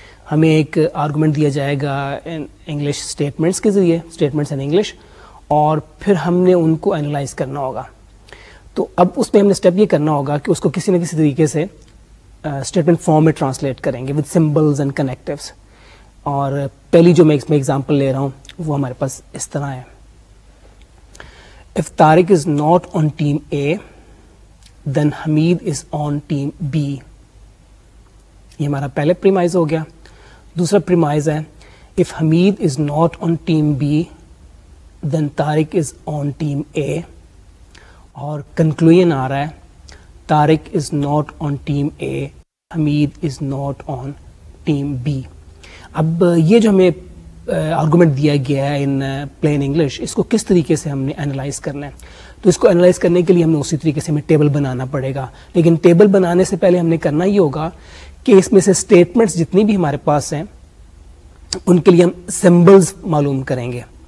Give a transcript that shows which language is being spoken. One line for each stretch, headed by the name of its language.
Urdu: ہمیں ایک آرگومنٹ دیا جائے گا انگلش اسٹیٹمنٹس کے ذریعے, اسٹیٹمنٹس ان انگلش, اور پھر ہم نے ان کو انالائز کرنا ہوگا. تو اب اس میں ہم نے اسٹیپ یہ کرنا ہوگا کہ اس کو کسی نہ کسی طریقے سے اسٹیٹمنٹ فارم میں ٹرانسلیٹ کریں گے
English: With symbols and connectives.
Urdu: اور پہلی جو میں اس میں اگزامپل لے رہا ہوں وہ ہمارے پاس اس طرح ہے.
English: If Tariq is not on team A, then Hamid is on team B.
Urdu: یہ ہمارا پہلے پریمائز ہو گیا. دوسرا پریمائز ہے
English: If Hamid is not on team B, then Tariq is on team A.
Urdu: اور کنکلوژن آ رہا ہے
English: Tariq is not on team A, Hamid is not on team B.
Urdu: اب یہ جو ہمیں آرگومنٹ دیا گیا ہے
English: in plain English,
Urdu: اس کو کس طریقے سے ہم نے انالائز کرنا ہے؟ تو اس کو انالائز کرنے کے لیے ہم نے اسی طریقے سے ہمیں ٹیبل بنانا پڑے گا. لیکن ٹیبل بنانے سے پہلے ہم نے کرنا یہ ہوگا کہ اس میں سے اسٹیٹمنٹس جتنی بھی ہمارے پاس ہیں ان کے لیے ہم سمبلز معلوم کریں گے.